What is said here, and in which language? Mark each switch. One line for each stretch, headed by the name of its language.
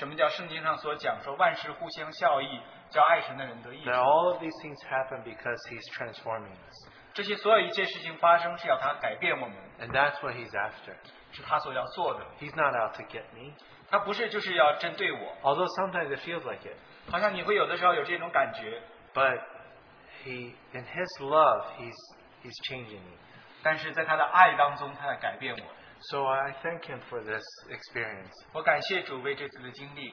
Chinese: 我也好像第一次真正的经历到什么叫圣经上所讲说万事互相效益。
English: Now all of these things happen because He's transforming us.
Chinese: 这些所有一切事情发生是要他改变我们。
English: And that's what He's after.
Chinese: 是他所要做的。
English: He's not out to get me.
Chinese: 他不是就是要针对我。
English: Although sometimes it feels like it.
Chinese: 好像你会有的时候有这种感觉。
English: But He, in His love, He's changing me.
Chinese: 但是在他的爱当中，他在改变我。
English: So I thank Him for this experience.
Chinese: 我感谢主为这次的经历。